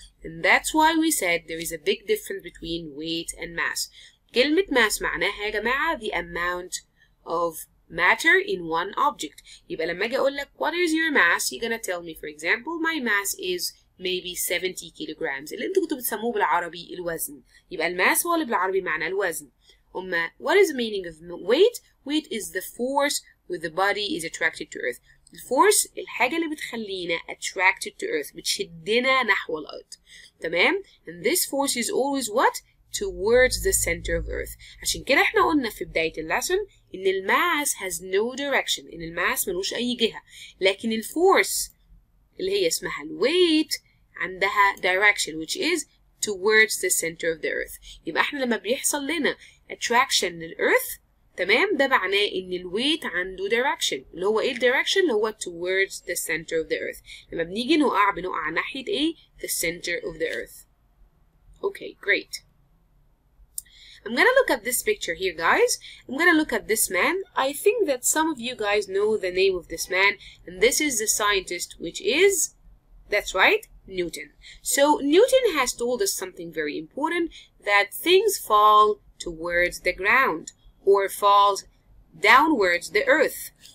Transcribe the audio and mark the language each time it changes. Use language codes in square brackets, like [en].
[en] And that's why we said there is a big difference between weight and mass. [ar] كلمة [en] mass [ar] معناها يا جماعة [en] the amount of matter in one object. [ar] يبقى لما اجي اقول لك [en] what is your mass, you're gonna tell me, for example, my mass is maybe 70 kilograms. [ar] اللي انتوا كنتوا بتسموه بالعربي الوزن. يبقى الماس هو اللي بالعربي معنى الوزن. أما [en] what is the meaning of weight? Weight is the force with the body is attracted to earth. [ar] الفورس الحاجة اللي بتخلينا [en] attracted to earth, [ar] بتشدنا نحو الأرض. تمام؟ [en] And this force is always what? Towards the center of earth. [ar] عشان كده احنا قلنا في بداية اللسن إن الماس [en] has no direction. [ar] إن الماس ملوش أي جهة. [en] لكن [ar] الفورس اللي هي اسمها الويت عندها [en] direction which is towards the center of the earth. [ar] يبقى احنا لما بيحصل لنا attraction للearth, تمام, ده معناه ان الويت عنده direction اللي هو ايه direction اللي هو [en] towards the center of the earth. [ar] لما بنيجي نقع بنقع ناحية ايه [en] the center of the earth. Okay, great. I'm gonna look at this picture here, guys. I'm gonna look at this man. I think that some of you guys know the name of this man, and this is the scientist, which is, that's right, Newton. So Newton has told us something very important, that things fall towards the ground or falls downwards the earth.